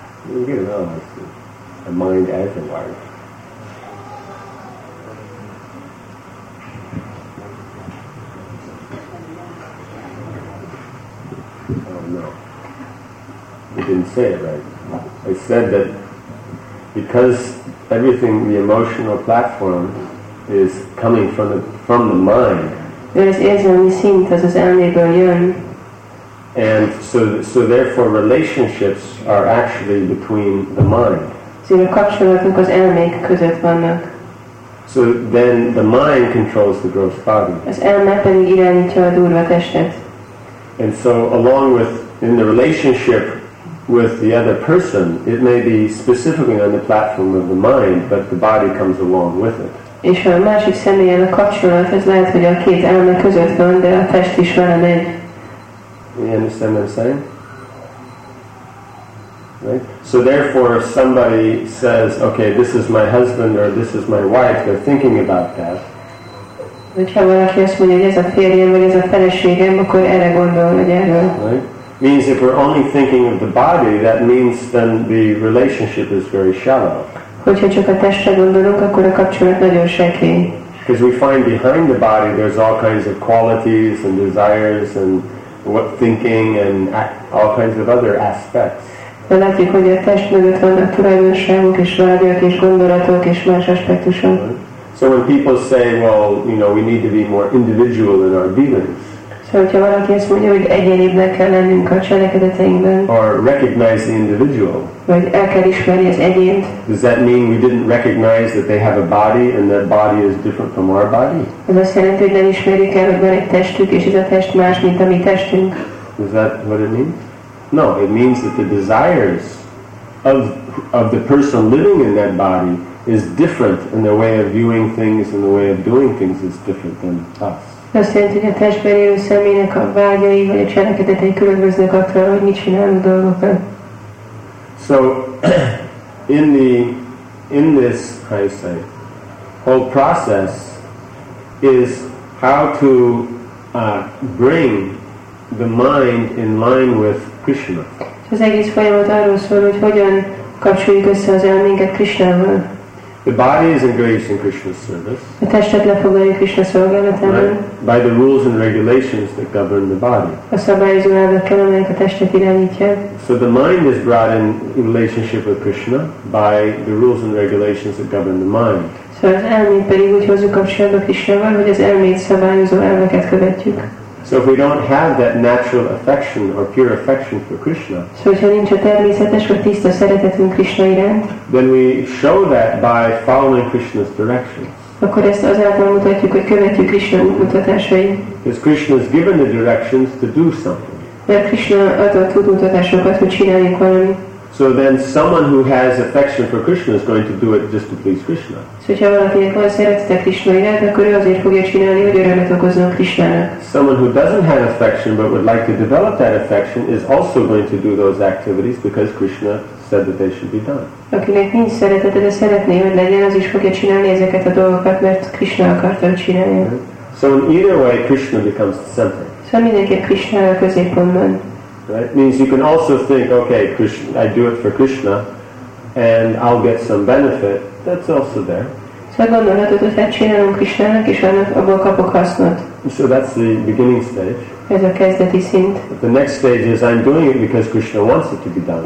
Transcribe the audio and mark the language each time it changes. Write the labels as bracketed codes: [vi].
[en] You get to know the mind as a wife. Oh no. You didn't say it right. I said that because everything, the emotional platform, is coming from the mind. [hu] Mert az érzelmi szint az az elméből jön. [en] And so therefore relationships are actually between the mind. [hu] Szóval a kapcsolatok az elmék között vannak. [en] So then the mind controls the gross body. [hu] Az elme pedig irányítja a durva testet. [en] And so along with, in the relationship with the other person, it may be specifically on the platform of the mind, but the body comes along with it. [hu] És a másik személyen a kapcsolat, ez lehet, hogy a két elme között van, de a test is vele megy. [en] You understand what I'm saying? Right? So therefore, if somebody says, okay, this is my husband or this is my wife, they're thinking about that. [hu] Hogyha valaki azt mondja, hogy ez a férjem, vagy ez a feleségem, akkor erre gondol, hogy erről. [en] Right? Means if we're only thinking of the body, that means then the relationship is very shallow. [hu] Hogyha csak a testre gondolunk, akkor a kapcsolat nagyon sekély. [en] Because we find behind the body there's all kinds of qualities and desires and what thinking and all kinds of other aspects. [hu] De látjuk, hogy a test mögött vannak tulajdonságok és vágyak és gondolatok és más aspektusok. [en] So when people say, well, you know, we need to be more individual in our dealings. [hu] Szóval, hogyha valaki azt mondja, hogy egyéniben kell lennünk a cselekedeteinkben. [en] Or recognize the individual. [hu] Vagy el kell ismerni az egyént. [en] Does that mean we didn't recognize that they have a body and that body is different from our body? [hu] Ez azt jelenti, hogy nem ismerik el, hogy van egy testük, és ez a test más, mint a mi testünk. [en] Is that what it means? No, it means that the desires of the person living in that body is different, and their way of viewing things and the way of doing things is different than us. [hu] Azt jelenti, hogy a testben élő személynek a vágyai vagy a cselekedetei különböznek attól, hogy mit csinálunk dolgokat. [en] So, in this, how you say, whole process is how to bring the mind in line with Krishna. [hu] Az egész folyamat arról szól, hogy hogyan kapcsoljuk össze az elménket Krishnával. [en] The body is engaged in Krishna's service. [hu] A testet lefoglalja Krishna szolgálatában. [en] By the rules and regulations that govern the body. [hu] A szabályozó elvekkel, amelyek a testet irányítja. [en] So the mind is brought in relationship with Krishna by the rules and regulations that govern the mind. [hu] So az elmét pedig úgy hozzuk kapcsolatba Krishnával, hogy az elmét szabályozó elveket követjük. [en] So if we don't have that natural affection or pure affection for Krishna, [hu] so hogyha nincs a természetes vagy tiszta szeretetünk Krishna iránt, [en] then we show that by following Krishna's directions. [hu] Akkor ezt azáltal mutatjuk, hogy követjük Krishna útmutatásait. [en] Because Krishna has given the directions to do something. [hu] Mert Krishna adott útmutatásokat, hogy csináljunk valamit. [en] So then someone who has affection for Krishna is going to do it just to please Krishna. [hu] So ha valakinek van szeretete Krishnáért, akkor ő azért fogja csinálni, hogy örömet okozzon Krishnának. [en] Someone who doesn't have affection but would like to develop that affection is also going to do those activities because Krishna said that they should be done. [hu] Akinek nincs szeretete, de szeretné, hogy legyen, az is fogja csinálni ezeket a dolgokat, mert Krishna akarta, hogy csinálja. [en] So in either way, Krishna becomes the center. [hu] Szóval mindenképp Krishna a középpontban. [en] Right? Means you can also think, okay, Krishna, I do it for Krishna, and I'll get some benefit. That's also there. So that's the beginning stage. [hu] Ez a kezdeti szint. [en] But the next stage is I'm doing it because Krishna wants it to be done.